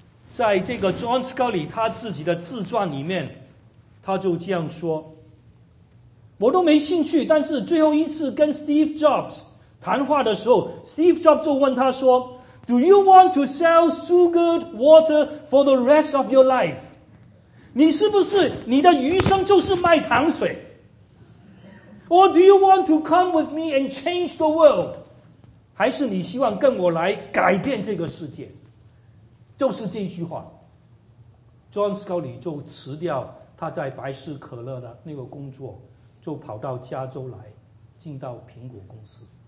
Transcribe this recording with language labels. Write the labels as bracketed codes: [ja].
[zh] 在这个 John Scully 他自己的自传里面，他就这样说：我都没兴趣，但是最后一次跟 Steve Jobs 谈话的时候， Steve Jobs 就问他说， [en] Do you want to sell sugared water for the rest of your life？ [zh] 你是不是你的余生就是卖糖水？ [en] Or do you want to come with me and change the world？ [zh] 还是你希望跟我来改变这个世界？就是这句话， John Scully 就辞掉他在百事可乐的那个工作，就跑到加州来，进到苹果公司。